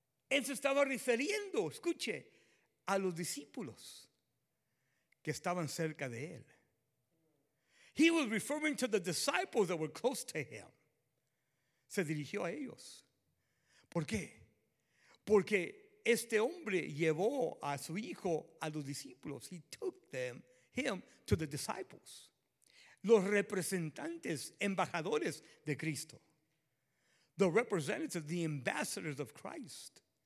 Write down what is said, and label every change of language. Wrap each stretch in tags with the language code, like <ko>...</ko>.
<es>Él se estaba refiriendo, escuche, a los discípulos que estaban cerca de él.</es> <en>He was referring to the disciples that were close to him.</en> <es>Se dirigió a ellos. ¿Por qué? Porque este hombre llevó a su hijo a los discípulos.</es> <en>He took him to the disciples.</en> <es>Los representantes, embajadores de Cristo.</es> <en>The representatives, the ambassadors of Christ.</en>